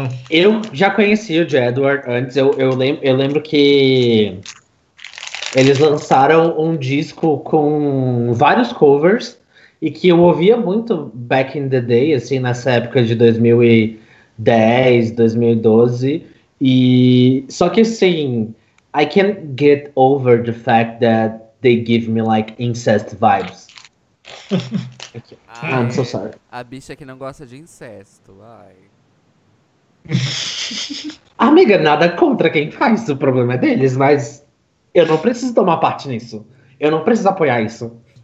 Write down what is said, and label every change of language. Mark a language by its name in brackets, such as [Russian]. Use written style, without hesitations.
[Portuguese] Eu já conheci o Jedward antes, eu lembro que eles lançaram um disco com vários covers e que eu ouvia muito [English] back in the day, [Portuguese] assim, nessa época de 2010, 2012. Só que assim, [English] I can't get over the fact that they give me, like, incest vibes. I'm so sorry. [Portuguese] A bicha que não gosta de incesto, ai. Amiga, nada contra quem faz, o problema é deles, mas eu não preciso tomar parte nisso. Eu não preciso apoiar isso.